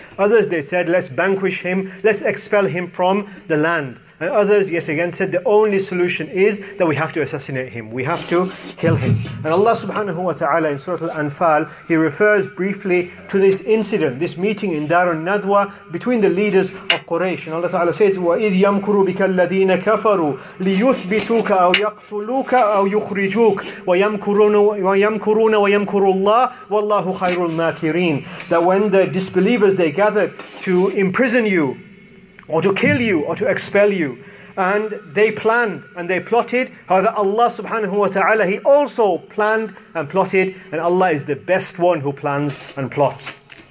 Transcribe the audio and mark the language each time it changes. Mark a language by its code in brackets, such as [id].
[en] Others, they said, let's vanquish him, let's expel him from the land. And others yet again said the only solution is that we have to assassinate him. We have to kill him. And Allah subhanahu wa ta'ala in Surah Al-Anfal, he refers briefly to this incident, this meeting in Darun Nadwa between the leaders of Quraysh. And Allah ta'ala says, [ar] وَإِذْ يَمْكُرُ بِكَ الَّذِينَ كَفَرُوا لِيُثْبِتُوكَ أَوْ يَقْتُلُوكَ أَوْ يُخْرِجُوكَ وَيَمْكُرُونَ وَيَمْكُرُ اللَّهُ وَاللَّهُ خَيْرُ الْمَاكِرِينَ. [en] That when the disbelievers, they gathered to imprison you, or to kill you, or to expel you. And they planned and they plotted. However, Allah subhanahu wa ta'ala, he also planned and plotted. And Allah is the best one who plans and plots.